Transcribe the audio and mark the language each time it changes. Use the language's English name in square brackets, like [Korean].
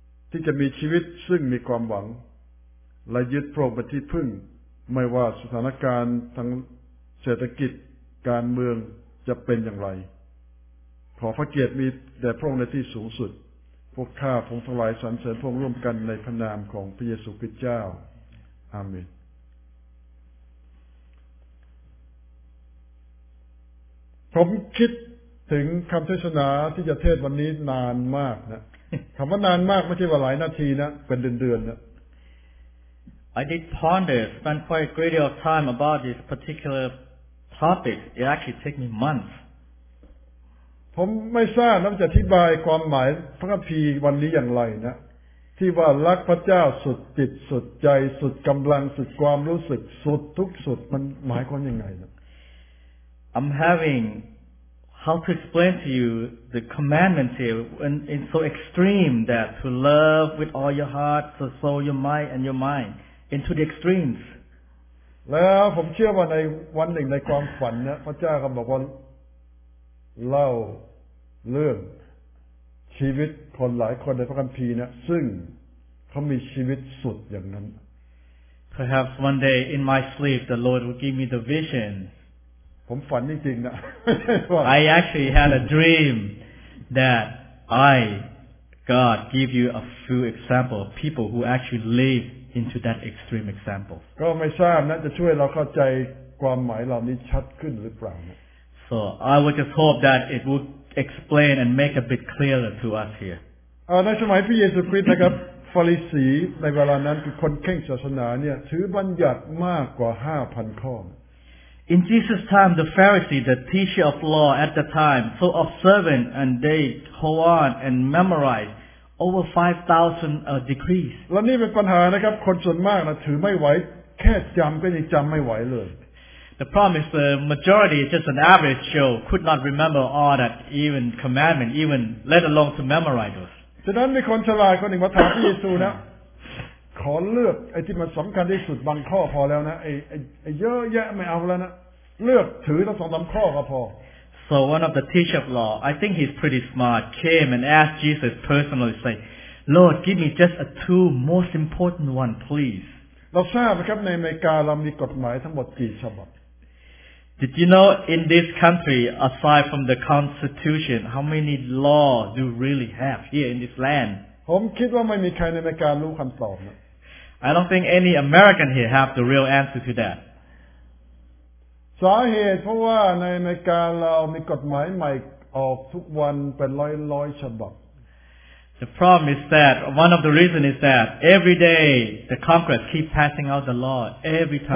[Thai] ที่จะมีชีวิตซึ่งมีความหวังและยึดพระองค์เป็นที่พึ่งไม่ว่าสถานการณ์ทางเศรษฐกิจการเมืองจะเป็นอย่างไรขอพระเกียรติมีแด่พระองค์ในที่สูงสุดพวกข้าพงศ์ทั้งหลายสรรเสริญพระองค์ร่วมกันในพระนามของพระเยซูคริสต์เจ้าอาเมน ผมคิดถึงคำเทศนาที่จะเทศวันนี้นานมากนะคำว่านานมากไม่ใช่ว่าหลายนาทีนะเป็นเดือนๆนะ [English] I did ponder, spend quite a great deal of time about this particular topic. It actually took me months. [Thai] ผมไม่ทราบนะจะอธิบายความหมายพระคัมภีร์วันนี้อย่างไรนะที่ว่ารักพระเจ้าสุดจิตสุดใจสุดกำลังสุดความรู้สึกสุดทุกสุดมันหมายความยังไงนะ [English] I'm havingHow to explain to you the commandments here when it's so extreme that to love with all your heart, the soul, your mind, and your mind into the extremes. [Thai] แล้วผมเชื่อว่าในวันหนึ่งในความฝันเนี่ยพระเจ้าก็บอกว่าเล่าเรื่องชีวิตคนหลายคนในพระคัมภีร์เนี่ยซึ่งเขามีชีวิตสุดอย่างนั้น [English] Perhaps one day in my sleep, the Lord will give me the vision. [Thai] ผมฝันจริงๆนะ [English] I actually had a dream that I God give you a few example of people who actually live into that extreme example. [Thai] ก็ไม่ทราบนะจะช่วยเราเข้าใจความหมายเหล่านี้ชัดขึ้นหรือเปล่า [English] So I would just hope that it would explain and make a bit clearer to us here. [Thai] ในสมัยพระเยซูคริสต์นะครับฟาริสีในเวลานั้นคือคนเคร่งศาสนาเนี่ยถือบัญญัติมากกว่า 5,000 ข้อ [English] In Jesus' time, the Pharisees, the teacher of law at the time, so observant and they hold on and memorize over 5,000 decrees. [Thai] และนี่เป็นปัญหานะครับคนส่วนมากนะถือไม่ไหวแค่จำก็ยังจำไม่ไหวเลย [English] The problem is the majority, just an average Joe, could not remember all that even commandment, even let alone to memorize those. [Thai] ฉะนั้นมีคนฉลาดคนหนึ่งมาถามพระเยซูนะขอเลือกไอ้ที่มันสำคัญที่สุดบางข้อพอแล้วนะไอ้เยอะแยะไม่เอาแล้วนะเลือกถือทั้งสองสามข้อก็พอ [English] So one of the teacher of law I think he's pretty smart came and asked Jesus personally say Lord give me just a two most important one please [Thai] เราทราบไหมครับในอเมริกาเรามีกฎหมายทั้งหมดกี่ฉบับ [English] Did you know in this country, aside from the Constitution, how many laws do we really have here in this land? I don't think any American here have the real answer to that. [Thai] สาเหตุเพราะว่าในอเมริกาเรามีกฎหมายใหม่ออกทุกวันเป็นร้อยๆฉบับ [English] The problem is that one of the reasons is that every day the Congress keep passing out the law every time.